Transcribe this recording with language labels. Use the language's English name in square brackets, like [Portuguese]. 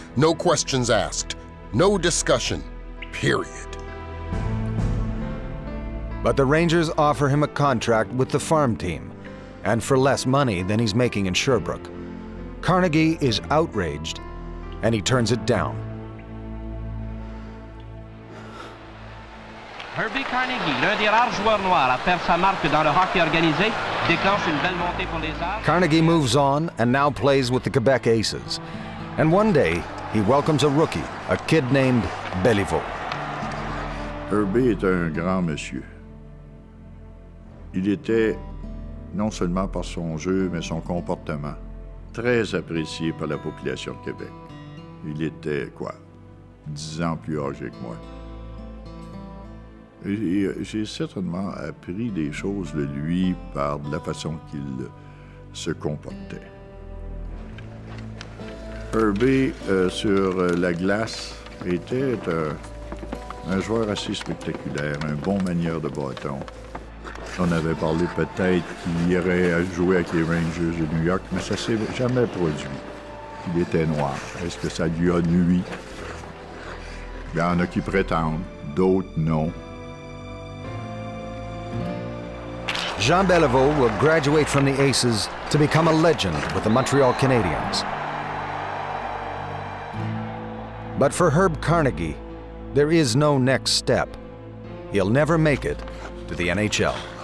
[English] No questions asked. No discussion, period. But the Rangers offer him a contract with the farm team, and for less money than he's making in Sherbrooke. Carnegie is outraged, and he turns it down. [French] Herbie Carnegie, l'un des rares joueurs noirs à faire sa marque dans le hockey organisé, déclenche une belle montée pour les Arts. [English] Carnegie moves on and now plays with the Quebec Aces. And one day, he welcomes a rookie, a kid named Béliveau. [French] Herbie était un grand monsieur. Il était non seulement par son jeu, mais son comportement, très apprécié par la population de Québec. Il était, quoi, 10 ans plus âgé que moi. J'ai certainement appris des choses de lui par la façon qu'il se comportait. Herbie, sur la glace, était un joueur assez spectaculaire, un bon manieur de bâton. On avait parlé peut-être qu'il irait jouer avec les Rangers de New York, mais ça s'est jamais produit. Il était noir. Est-ce que ça lui a nui? Il y en a qui prétendent, d'autres non. [English] Jean Béliveau will graduate from the Aces to become a legend with the Montreal Canadiens. But for Herb Carnegie, there is no next step. He'll never make it to the NHL.